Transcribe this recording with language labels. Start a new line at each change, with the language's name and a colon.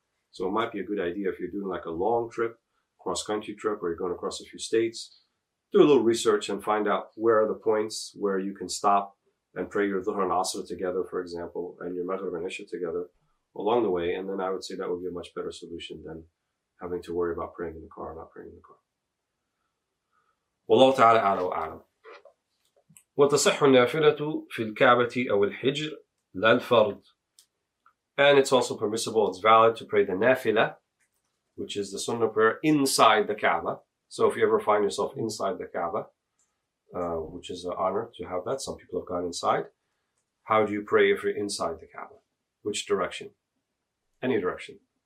English: So it might be a good idea if you're doing like a long trip, cross-country trip, where you're going across a few states, do a little research and find out where are the points where you can stop and pray your Dhuhr and Asr together, for example, and your Maghrib and Isha together along the way. And then I would say that would be a much better solution than having to worry about praying in the car or not praying in the car.
Arabic: Wallahu ta'ala ala wa a'lam. وتصح النافلة في الكعبة أو الحجر لا الفرد.
English: And it's also permissible, it's valid to pray the nafila, which is the sunnah prayer, inside the Kaaba. So if you ever find yourself inside the Kaaba, which is an honor to have that, some people have gone inside, how do you pray if you're inside the Kaaba? Which direction? Any direction.